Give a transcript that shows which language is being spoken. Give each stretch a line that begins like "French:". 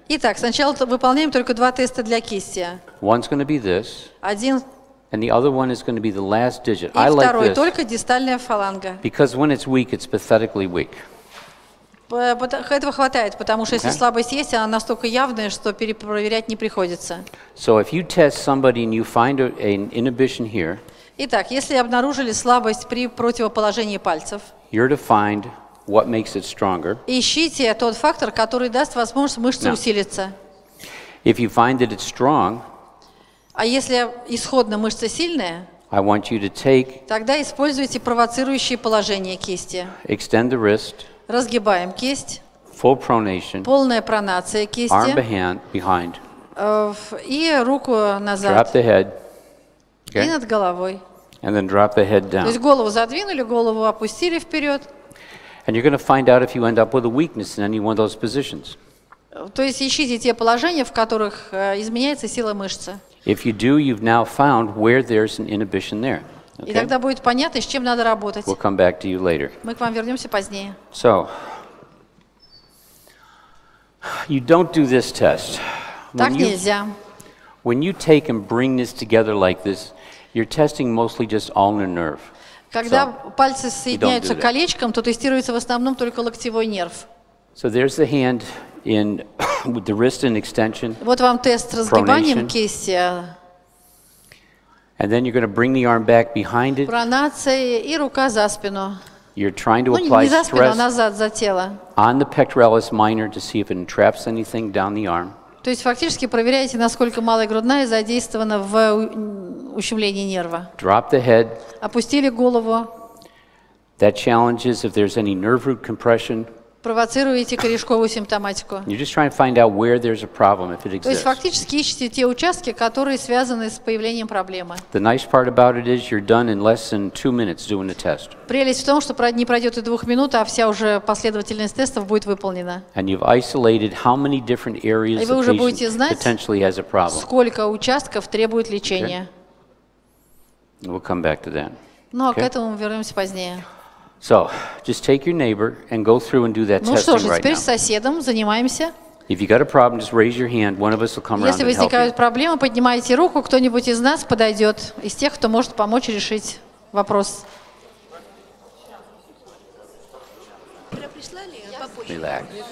Russian: Итак, сначала выполняем только два теста для кисти.
English: One's going to be this.
Russian: Один.
English: And the other one is going to be the last digit.
Russian: И
English: I
Russian: второй,
English: like this.
Russian: Только дистальная фаланга.
English: Because when it's weak, it's pathetically weak.
Russian: Этого хватает, потому что если слабость есть, она настолько явная, что перепроверять не приходится.
English: So if you test somebody and you find an inhibition here.
Russian: Итак, если обнаружили слабость при противоположении пальцев.
English: You're to find what makes it stronger.
Russian: Ищите тот фактор, который даст возможность мышце усилиться.
English: If you find that it's strong.
Russian: А если исходно мышца сильная?
English: I want you to take.
Russian: Тогда используйте провоцирующие положения кисти.
English: Extend the wrist.
Russian: Разгибаем кисть.
English: Full pronation.
Russian: Полная пронация кисти.
English: Arm behind.
Russian: И руку назад.
English: Drop the head.
Russian: Okay. И над головой.
English: And then drop the head down.
Russian: То есть голову задвинули, голову опустили вперед.
English: And you're going to find out if you end up with a weakness in any one of those positions.
Russian: То есть ищите те положения, в которых изменяется сила мышцы.
English: If you do, you've now found where there's an inhibition there.
Russian: Okay? И тогда будет понятно, с чем надо работать.
English: We'll come back to you later.
Russian: Мы к вам вернемся позднее.
English: So, you don't do this test.
Russian: Так нельзя.
English: When you take and bring this together like this, you're testing mostly just ulnar nerve.
Russian: Когда пальцы соединяются колечком, то тестируется в основном только локтевой нерв.
English: So there's the hand in with the wrist in extension.
Russian: Вот вам тест с разгибанием кисти.
English: And then you're going to bring the arm back behind it.
Russian: Пронация и рука за спину.
English: You're trying to apply
Russian: не за спину,
English: stress
Russian: а назад, за тело.
English: On the pectoralis minor to see if it entraps anything down the arm.
Russian: То есть фактически проверяете, насколько малая грудная задействована в ущемлении нерва.
English: Drop the head.
Russian: Опустили голову.
English: That challenges if there's any nerve root compression.
Russian: Провоцируете корешковую симптоматику.
English: You're just trying to find out where there's a problem if it exists.
Russian: То есть фактически ищете те участки, которые связаны с появлением проблемы.
English: The nice part about it is you're done in less than 2 minutes doing the test.
Russian: Прелесть в том, что не пройдет и 2 минут, а вся уже последовательность тестов будет выполнена.
English: And you've isolated how many different areas the patient potentially has a problem.
Russian: И вы уже будете знать, сколько участков требует лечения.
English: Okay. We'll come back to that.
Russian: Но к этому мы вернемся позднее.
English: So, just take your neighbor and go through and do that testing right now.
Russian: Ну что же, теперь с соседом занимаемся.
English: If you got a problem, just raise your hand. One of us will come around and help you.
Russian: Если возникают проблемы, поднимайте руку, кто-нибудь из нас подойдет, из тех, кто может помочь решить вопрос.
English: Relax.